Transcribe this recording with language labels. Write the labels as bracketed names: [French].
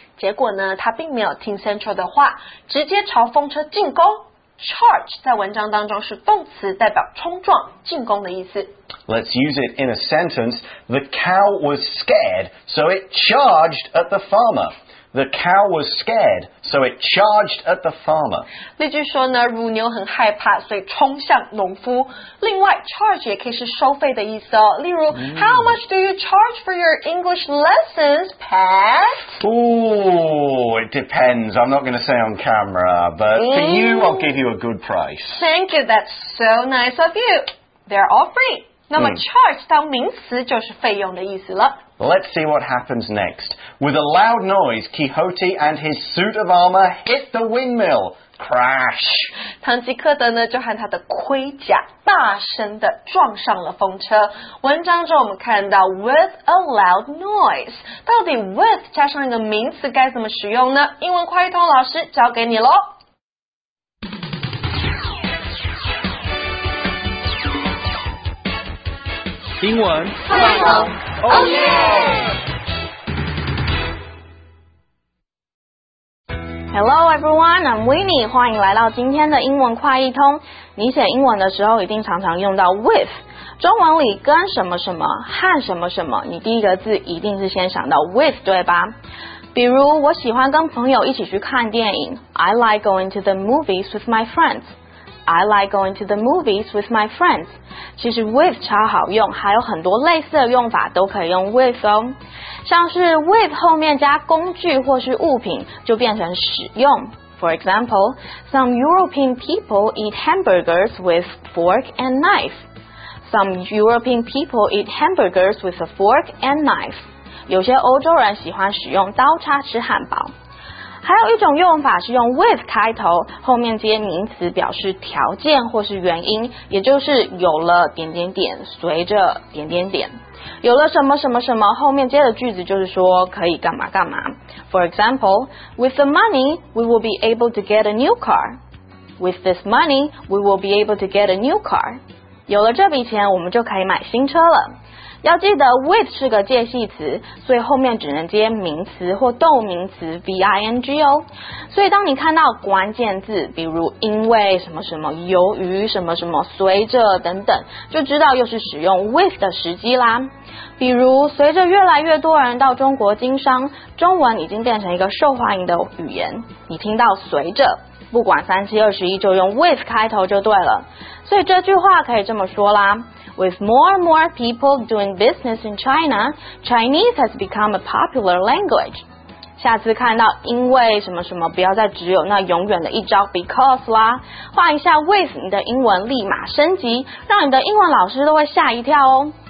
[Chinese] 结果呢他并没有听 Sancho 的话直接朝风车进攻 Charge 在文章当中是动词代表冲撞进攻的意思 [English] Let's use it in a sentence. The cow was scared, so it charged at the farmer. The cow was scared, so it charged at the farmer. [Chinese] 例句说呢，乳牛很害怕，所以冲向农夫。另外 ，charge 也可以是收费的意思哦。 [English] 例如、how much do you charge for your English lessons, pet? Ooh, it depends. I'm not going to say on camera, but for you, I'll give you a good price. Thank you. That's so nice of you. They're all free. [Chinese] 那么 charge 当名词就是费用的意思了。 [English] Let's see what happens next. With a loud noise, Quixote and his suit of armor hit the windmill. Crash! [Chinese] 唐吉诃德呢就和他的盔甲大声地撞上了风车。文章中我们看到 [English] with a loud noise. [Chinese] 到底 with 加上一个名词该怎么使用呢？英文快语通老师交给你咯。英文快通 [English] ，Oh yeah! Hello, everyone. I'm Winnie. [Chinese] 欢迎来到今天的英文快译通。你写英文的时候，一定常常用到 with。中文里跟什么什么和什么什么，你第一个字一定是先想到 with， 对吧？比如我喜欢跟朋友一起去看电影 ， [English] I like going to the movies with my friends. I like going to the movies with my friends. [Chinese] 其实 with 超好用，还有很多类似的用法都可以用 with 哦。像是 with 后面加工具或是物品，就变成使用。 [English] For example, some European people eat hamburgers with fork and knife. Some European people eat hamburgers with a fork and knife. [Chinese] 有些欧洲人喜欢使用刀叉吃汉堡。还有一种用法是用 with 开头，后面接名词表示条件或是原因，也就是有了点点点，随着点点点，有了什么什么什么，后面接的句子就是说可以干嘛干嘛。 [English] For example, with the money, we will be able to get a new car. With this money, we will be able to get a new car. [Chinese] 有了这笔钱，我们就可以买新车了。要记得 with 是个介系词，所以后面只能接名词或动名词 ving 哦。所以当你看到关键字，比如因为什么什么、由于什么什么、随着等等，就知道又是使用 with 的时机啦。比如随着越来越多人到中国经商，中文已经变成一个受欢迎的语言，你听到随着，不管三七二十一，就用 with 开头就对了。所以这句话可以这么说啦， [English] With more and more people doing business in China, Chinese has become a popular language. [Chinese] 下次看到因为什么什么，不要再只有那永远的一招 because 啦，换一下 with 你的英文立马升级，让你的英文老师都会吓一跳哦。